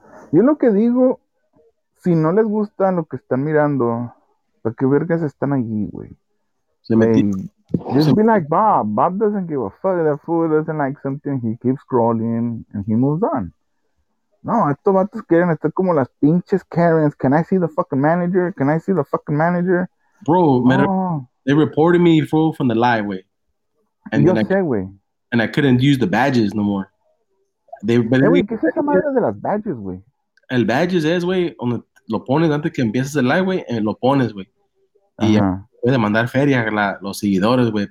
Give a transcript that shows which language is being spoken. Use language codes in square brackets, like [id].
[es] Yo lo que digo, si no les gusta lo que están mirando, ¿para qué vergas están allí, güey? Se metieron [en] Just be like Bob. Bob doesn't give a fuck. That fool doesn't like something. He keeps scrolling and he moves on. [es] No, estos vatos quieren estar como las pinches Karens. [en] Can I see the fucking manager? Can I see the fucking manager? Bro, man, oh. They reported me, bro, from the live way. [es] And yo sé, güey. [en] And I couldn't use the badges no more. [es] ¿Qué es esa madre de las badges, güey? El badges es, güey, donde lo pones antes que empieces el live, güey, lo pones, güey. Y puede mandar feria a los seguidores, güey.